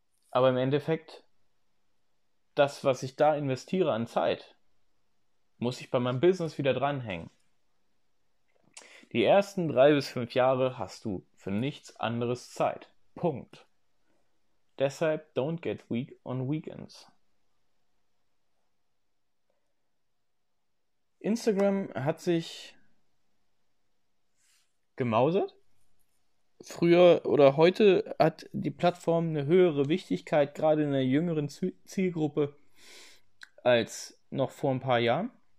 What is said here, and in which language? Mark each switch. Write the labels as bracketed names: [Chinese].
[German] Aber im Endeffekt, das, was ich da investiere an Zeit, muss ich bei meinem Business wieder dranhängen. Die ersten 3 bis 5 Jahre hast du für nichts anderes Zeit. Punkt. Deshalb [English] don't get weak on weekends. [German] Instagram hat sich gemausert. Früher oder heute hat die Plattform eine höhere Wichtigkeit, gerade in der jüngeren Zielgruppe, als noch vor ein paar Jahren.